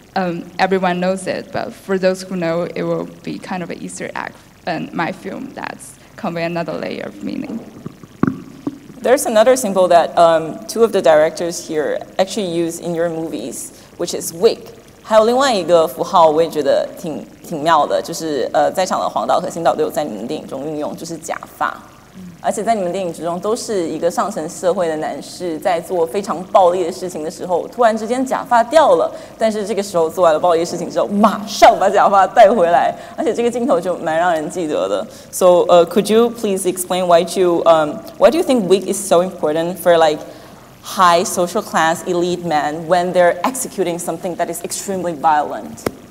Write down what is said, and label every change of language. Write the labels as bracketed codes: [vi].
[en] Everyone knows it, but for those who know, it will be kind of an Easter egg in my film that's convey another layer of meaning. There's another symbol that two of the directors here actually use in your movies, which is wick. [zh] 还有另外一个符号，我也觉得挺妙的，就是在场的黄导和新导都有在你们电影中运用，就是假发。而且在你们电影之中，都是一个上层社会的男士在做非常暴力的事情的时候，突然之间假发掉了。但是这个时候做完了暴力的事情之后，马上把假发带回来。而且这个镜头就蛮让人记得的。 [en] So, could you please explain why do you think wig is so important for like high social class elite men when they're executing something that is extremely violent?